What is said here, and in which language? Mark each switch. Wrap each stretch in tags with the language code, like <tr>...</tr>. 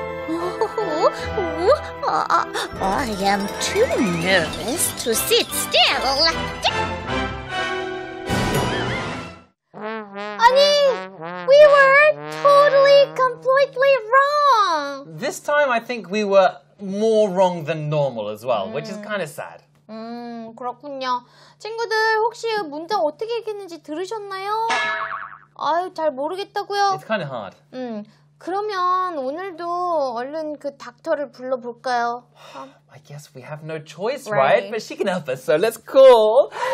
<en>I am too nervous to sit still. 아니, we were totally, completely wrong. This time, I think we were more wrong than normal as well, which is kind of sad.</en> <ko>그렇군요. 친구들, 혹시 문장 어떻게 읽었는지 들으셨나요? 아유, 잘 모르겠다고요.</ko> <en>It's kind of hard.</en> <ko>그러면 오늘도 얼른 그 닥터를 불러볼까요?</ko> <en>I guess we have no choice, right? But she can help us, so let's call</en>